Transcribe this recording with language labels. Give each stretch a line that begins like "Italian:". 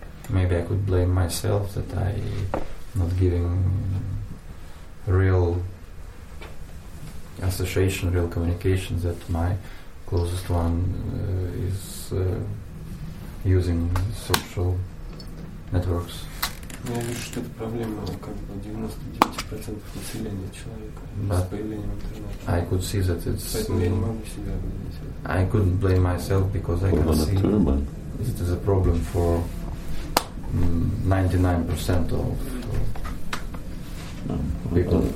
English: Maybe I could blame myself that I not giving real association, real communication that my closest one is using social networks.
Russian: Я вижу, что это проблема как бы 99% населения человека с появлением интернета.
English: I could see that it's
Russian: поэтому я не могу себя обвинить.
English: I couldn't blame myself because I can see it is a problem for 99% of people.